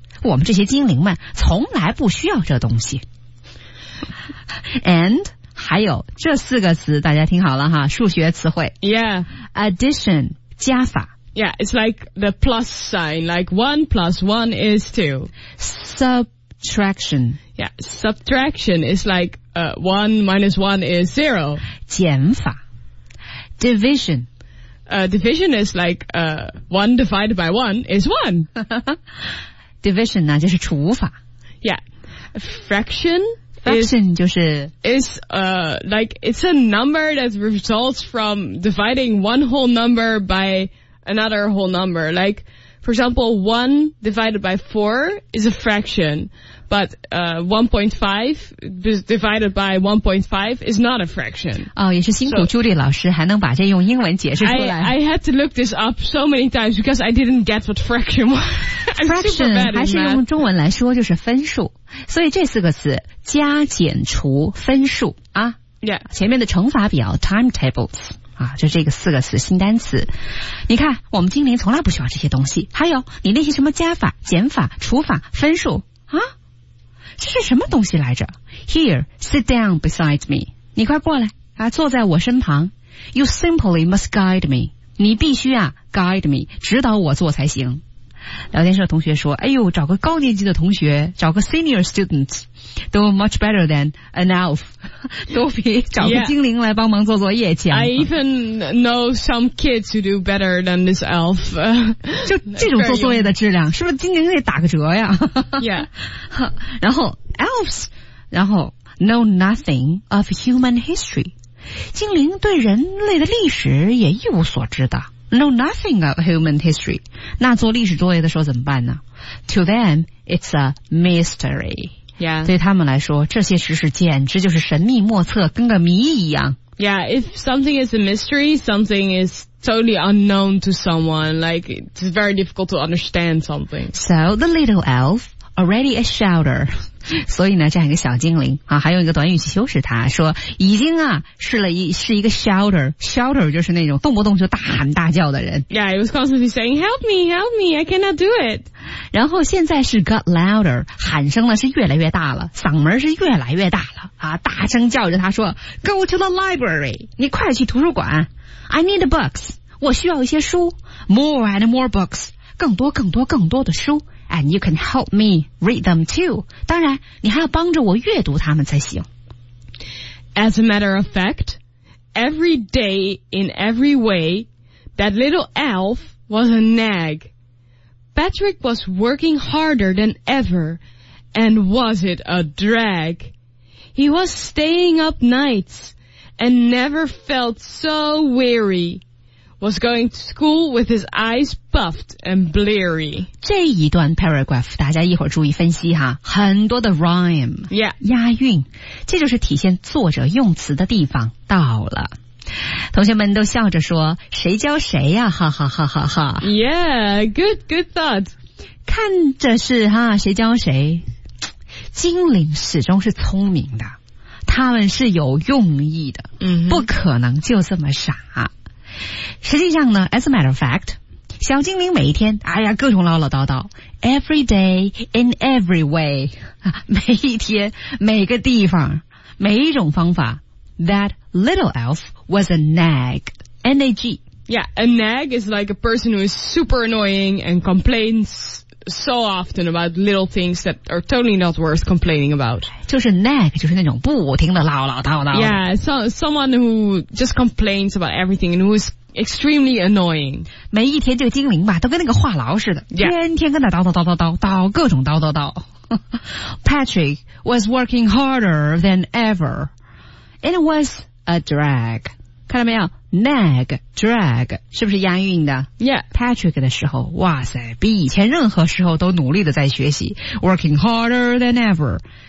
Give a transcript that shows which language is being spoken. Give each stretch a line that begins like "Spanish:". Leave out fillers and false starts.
Chinese: 我们这些精灵们从来不需要这东西。 And... 还有这四个词大家听好了哈数学词汇
English: Yeah Addition 加法 Yeah It's like the plus sign Like 1 plus 1 is 2 Subtraction Yeah Subtraction is like 1 minus 1 is 0
Chinese: 减法 Division
English: Division is like 1 divided by 1 is 1
Chinese: Division 呢就是除法
English: Yeah Fraction
Chinese: Fraction 就是
English: is like it's a number that results from dividing one whole number by another whole number. Like for example, 1 divided by 4 is a fraction, but 1.5 divided by 1.5 is not a fraction.
Chinese: 哦，也是辛苦 so, Julie 老师还能把这用英文解释出来。
English: I had to look this up so many times because I didn't get what fraction was.
Chinese: Fraction 还是用中文来说就是分数。所以这四个词加减除分数啊
English: ，Yeah，
Chinese: 前面的乘法表 timetables 啊，就这个四个词新单词。你看，我们精灵从来不需要这些东西。还有你那些什么加法、减法、除法、分数啊，这是什么东西来着 ？
English: Here, sit down beside me.
Chinese: 你快过来啊，坐在我身旁。
English: You simply must guide me.
Chinese: 你必须啊
English: guide me，
Chinese: 指导我做才行。聊天室的同学说哎呦找个高年级的同学找个 senior student 都
English: much better than an elf
Chinese: 都比找个精灵来帮忙做作业强
English: I even know some kids who do better than this elf
Chinese: 就这种做作业的质量是不是精灵得打个折呀
English: Yeah
Chinese: 然后 elves 然后
English: know nothing of human history
Chinese: 精灵对人类的历史也一无所知的
English: Know nothing of human history.
Chinese: 那做历史作业的时候怎么办呢 ?
English: To them, it's a mystery. Yeah.
Chinese: 对他们来说这些知识简直就是神秘莫测跟个谜一样。
English: Yeah, if something is a mystery, something is totally unknown to someone. Like, it's very difficult to understand something. So, the little elf, already a shouter.
Chinese: 所以呢这样一个小精灵啊，还用一个短语去修饰它，说已经啊是一个 shouter。 Shouter 就是那种动不动就大喊大叫的人。
English: Yeah, he was constantly saying, help me, help me, I cannot do it.
Chinese: 然后现在是
English: got louder,
Chinese: 喊声呢是越来越大了，嗓门是越来越大了啊，大声叫着他说
English: go to the library,
Chinese: 你快去图书馆。
English: I need the books,
Chinese: 我需要一些书。
English: More and more books,
Chinese: 更多更多更多的书。
English: And you can help me read them too.
Chinese: 当然你还要帮着我阅读他们才行。
English: As a matter of fact, every day in every way, that little elf was a nag. Patrick was working harder than ever, and was it a drag. He was staying up nights, and never felt so weary. Was going to school with his eyes puffed and bleary.
Chinese: 这一段 paragraph 大家一会儿注意分析哈，很多的 rhyme、
English: yeah.
Chinese: 押韵，这就是体现作者用词的地方到了。同学们都笑着说谁教谁呀、啊、哈哈哈哈哈。
English: Yeah, good thought.
Chinese: 看着是哈谁教谁，精灵始终是聪明的，他们是有用意的、 mm-hmm. 不可能就这么傻。实际上呢 ,
English: as a matter of fact,
Chinese: 小精灵每一天哎呀各种唠唠叨叨 ,
English: every day, in every way,
Chinese: 每一天每个地方每一种方法 ,
English: that little elf was a nag,
Chinese: N-A-G.
English: Yeah, a nag is like a person who is super annoying and complains so often about little things that are totally not worth complaining about.
Chinese: 就是 nag, 就是那种不停的唠唠叨叨。
English: Yeah, someone who just complains about everything and who is extremely annoying.
Chinese: 每一天这个精灵吧都跟那个话痨似的、
English: yeah.
Chinese: 天天跟他叨叨叨叨叨叨各种叨叨叨。
English: Patrick was working harder than ever. It was a drag.
Chinese: 看到没有 ?nag, drag, 是不是押韵的
English: ?Yeah.Patrick
Chinese: 的时候哇塞比以前任何时候都努力的在学习 ,
English: working harder than ever.